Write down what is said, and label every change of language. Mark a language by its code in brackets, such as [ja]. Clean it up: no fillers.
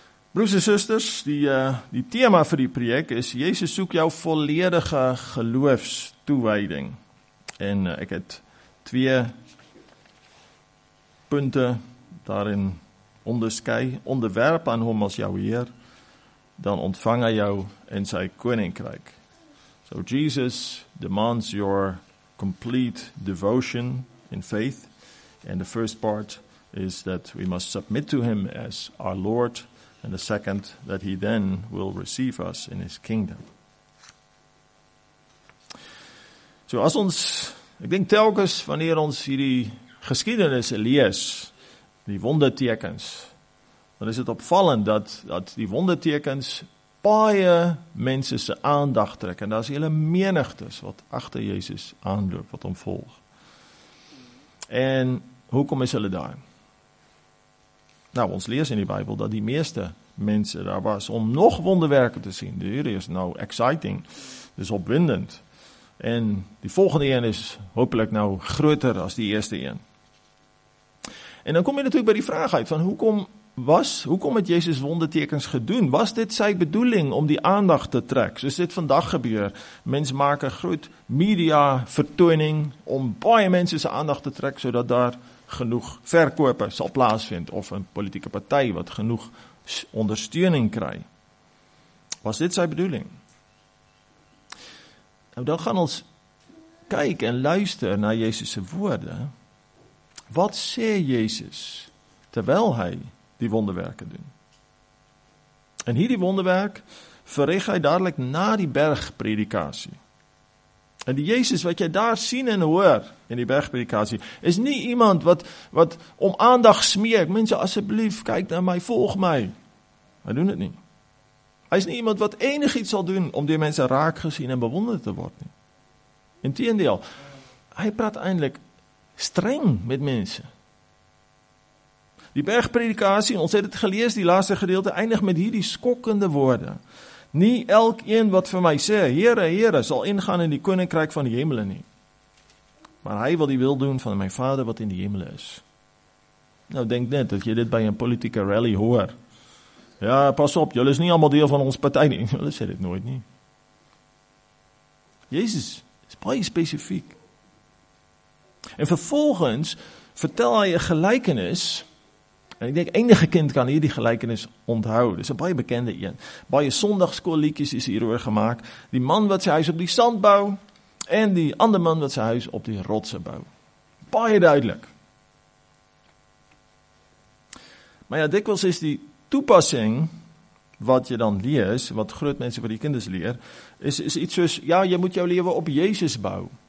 [af] Broers en susters, die thema vir die preek is, Jezus soek jou volledige geloofstoewijding. En ek het twee punte daarin onderskei, onderwerp aan hom as jou Heer, dan ontvang hy jou in sy koninkryk. [en] So Jesus demands your complete devotion in faith, and the first part is that we must submit to him as our Lord, and the second that he then will receive us in his kingdom. [af] So as ons, ek denk telkens wanneer ons hierdie geskiedenis lees, die wondertekens, dan is het opvallend dat die wondertekens baie mense se aandag trek, en daar is hele menigtes wat agter Jezus aanloop, wat omvolg. En hoekom is hulle daar? Nou, ons lees in die Bybel dat die meeste mense daar was om nog wonderwerke te sien. Die hier is nou exciting, dus opwindend. En die volgende een is hopelijk nou groter as die eerste een. En dan kom je natuurlijk by die vraag uit van hoekom het Jezus wondertekens gedoen? Was dit sy bedoeling om die aandacht te trek? Soos dit vandag gebeur. Mens maak een groot media vertoning om baie mense sy aandacht te trek, sodat daar genoeg verkope sal plaasvind, of een politieke partij wat genoeg ondersteuning kry. Was dit sy bedoeling? Nou dan gaan ons kyk en luister na Jezus' woorde. Wat sê Jezus terwyl hy die wonderwerke doen? En hier die wonderwerk verrig hy dadelijk na die bergpredikasie. En die Jezus wat jy daar sien en hoor in die bergpredikasie, is nie iemand wat om aandag smeek, mense asseblief, kyk na my, volg my. Hy doen het nie. Hy is nie iemand wat enig iets sal doen om die mense raak gesien en bewonder te word nie. Inteendeel, hy praat eindelijk streng met mense. Die bergpredikasie, ons het het gelees, die laaste gedeelte, eindig met hierdie skokkende woorde. Nie elk een wat vir my sê, Here, Here, sal ingaan in die koninkryk van die hemele nie. Maar hy wil die wil doen van my vader wat in die hemele is. Nou, denk net, dat jy dit by een politieke rally hoor. Ja, pas op, julle is nie allemaal deel van ons partij nie. Julle sê dit nooit nie. Jezus is baie specifiek. En vervolgens vertel hy een gelykenis. En ek denk, enige kind kan hier die gelykenis onthou. Dit is een baie bekende een. Baie sondagskoolliedjes is hieroor gemaakt. Die man wat sy huis op die sand bou, en die ander man wat sy huis op die rotse bou. Baie duidelik. Maar ja, dikwijls is die toepassing, wat jy dan lees, wat groot mense vir die kinders leer, is iets soos, ja, jy moet jou leven op Jezus bou.